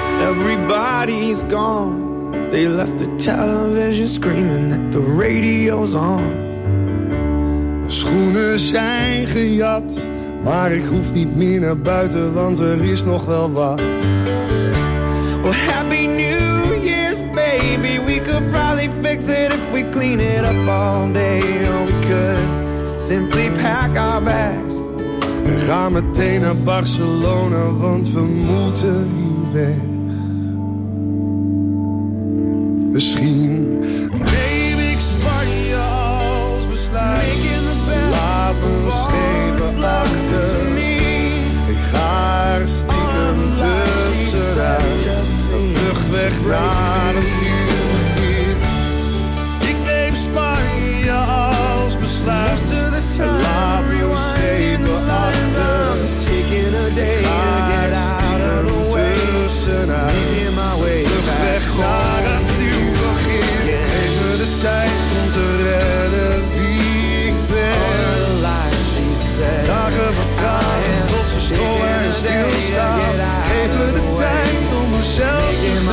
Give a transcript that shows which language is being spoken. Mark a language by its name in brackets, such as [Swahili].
[English] Everybody's gone. They left the television screaming that the radio's on. [Dutch] Schoenen zijn gejat, maar ik hoef niet meer naar buiten, want er is nog wel wat. [English] Well, happy New Year's, baby. We could probably fix it if we clean it up all day. Or we could simply pack our bags. [Dutch] We gaan meteen naar Barcelona, want we moeten hier weg. Misschien. Naar een nieuw begin. Ik neem Spanje als besluit. [English] To the time, [Dutch] laat me schepen achter. [English] Taking a day to get out of the way. [Dutch] Tussenuit. [English] In my way. [Dutch] Vlucht weg naar een nieuw begin. [English] Yeah. [Dutch] Geef me de tijd om te redden wie ik ben. [English] All the lies she said. [Dutch] Dagen vertragen tot ze stil en stilstaan. Geef me de tijd om mezelf te